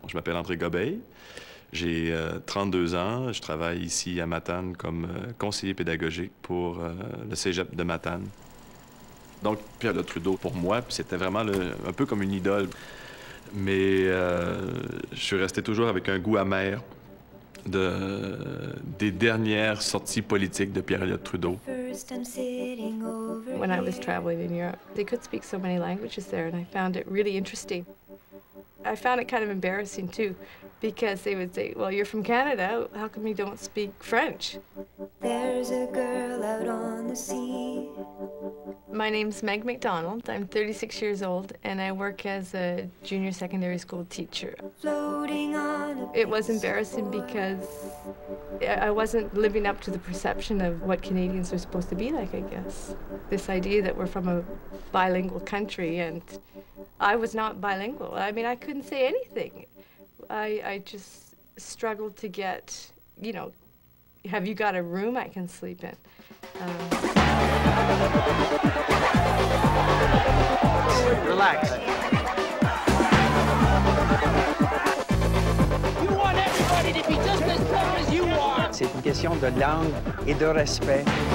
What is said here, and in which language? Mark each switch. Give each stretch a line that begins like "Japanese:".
French: Je m'appelle André Gobeil, j'ai 32 ans, je travaille ici à Matane comme conseiller pédagogique pour le cégep de Matane. Donc, Pierre-Éliott Trudeau, pour moi, puis c'était vraiment un peu comme une idole. Mais je suis resté toujours avec un goût amer des dernières sorties politiques de Pierre-Éliott Trudeau.
English: When I was traveling in Europe, they could speak so many languages there, and I found it really interesting. I found it kind of embarrassing too, because they would say, "Well, you're from Canada. How come you don't speak French?" There's a girl out on the sea. My name's Meg McDonald. I'm 36 years old, and I work as a junior secondary school teacher. Floating on a It was embarrassing because I wasn't living up to the perception of what Canadians are supposed to be like. I guess this idea that we're from a bilingual country, and I was not bilingual. I mean, I couldn't say anything. I just struggled to get, you know, have you got a room I can sleep in? Relax. You want everybody to be just as tough as you are.
French: C'est une question de langue et de respect.